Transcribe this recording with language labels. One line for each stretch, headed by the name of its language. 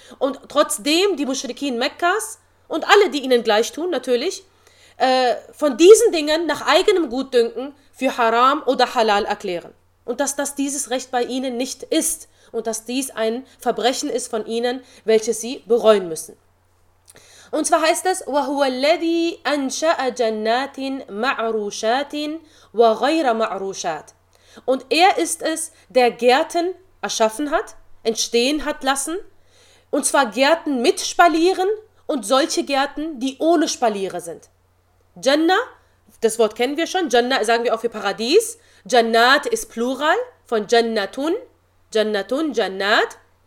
German: Und trotzdem die Mushrikin Mekkas und alle, die ihnen gleich tun, natürlich, von diesen Dingen nach eigenem Gutdünken für Haram oder Halal erklären. Und dass dieses Recht bei ihnen nicht ist und dass dies ein Verbrechen ist von ihnen, welches sie bereuen müssen. Und zwar heißt es,
Arabic: وَهُوَ الَّذِي أَنْشَأَ جَنَّاتٍ مَعْرُوشَاتٍ وَغَيْرَ مَعْرُوشَاتٍ.
German: Und er ist es, der Gärten erschaffen hat, entstehen hat lassen, und zwar Gärten mit Spalieren und solche Gärten, die ohne Spaliere sind. Jannah, das Wort kennen wir schon, Jannah sagen wir auch für Paradies. Jannat ist Plural von Jannatun, Jannatun, Jannat.